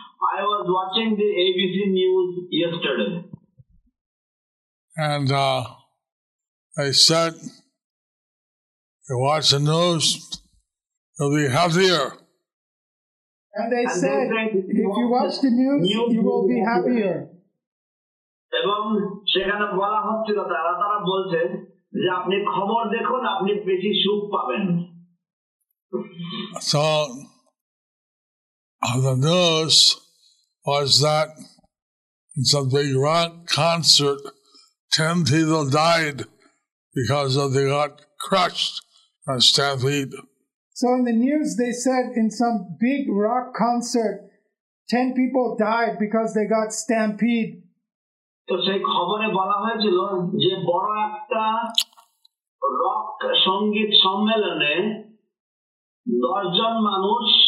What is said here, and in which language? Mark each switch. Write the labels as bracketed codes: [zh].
[en] I was watching the ABC news yesterday. And I said, if you watch the news, you'll be happier. And they said, if you watch the news, you will be happier. [bn] এবং সেখানে বলা হচ্ছিল, তারা বলছে যে আপনি খবর দেখুন, আপনি বেশি সুখ পাবেন। [en] So, the news was that in some big rock concert, 10 people died because they got crushed by stampede. So in the news they said in some big rock concert, 10 people died because they got stampede. [bn] So সেই খবরে বলা হয়েছিল যে বড় একটা rock সঙ্গীত সম্মেলনে 10 জন মানুষ